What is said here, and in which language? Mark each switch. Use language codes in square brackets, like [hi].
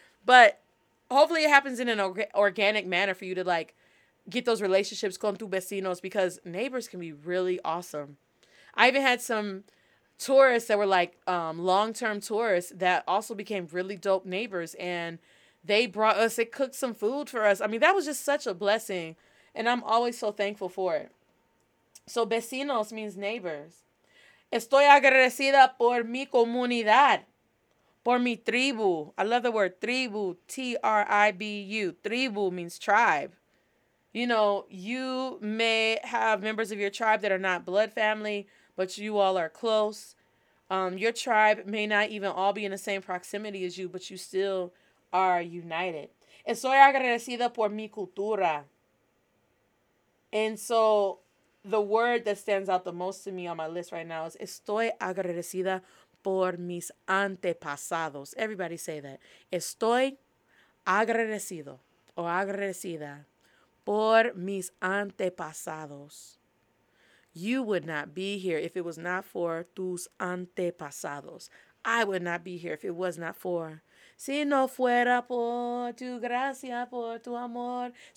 [en] But hopefully it happens in an organic manner for you to, like, get those relationships [es] con tu vecinos, [en] because neighbors can be really awesome. I even had some tourists that were, like, long-term tourists that also became really dope neighbors, and they brought us, they cooked some food for us. I mean, that was just such a blessing, and I'm always so thankful for it. So, vecinos means neighbors. [es] Estoy agradecida por mi comunidad, por mi tribu. [en] I love the word tribu, T-R-I-B-U. Tribu means tribe. You know, you may have members of your tribe that are not blood family, but you all are close. Your tribe may not even all be in the same proximity as you, but you still are united. [es] Estoy agradecida por mi cultura. [en] And so the word that stands out the most to me on my list right now is [es] estoy agradecida por mis antepasados. [en] Everybody say that. [es] Estoy agradecido o agradecida por mis antepasados. [en] You would not be here if it was not for [es] tus antepasados. [en] I would not be here if it was not for. [es] Si no fuera por tu gracia, por tu amor.